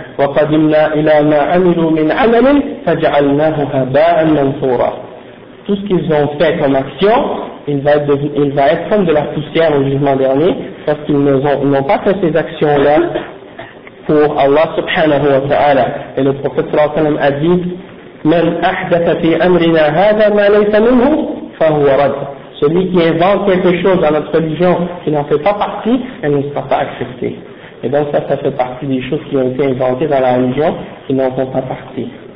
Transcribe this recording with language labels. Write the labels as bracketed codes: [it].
[ar] وَقَدِمْنَا إِلَى مَا أَمِلُوا مِنْ عَمَلٍ فَجَعَلْنَاهُ هَبَاءً مَنْثُورًا. [fr] Tout ce qu'ils ont fait comme action, il va être comme de la poussière au jugement dernier, parce qu'ils n'ont pas fait ces actions-là pour Allah subhanahu wa ta'ala. Et le prophète sallallahu alayhi wa sallam a dit [ar] مَنْ أَحْدَثَ فِي أَمْرِنَا هَذَا مَا لَيْسَ مِنْهُ فَهُوَ رَدْ. [fr] Celui qui invente quelque chose dans notre religion qui n'en fait pas partie, elle ne sera pas acceptée. Et donc ça fait partie des choses qui ont été inventées dans la religion qui n'en font pas partie.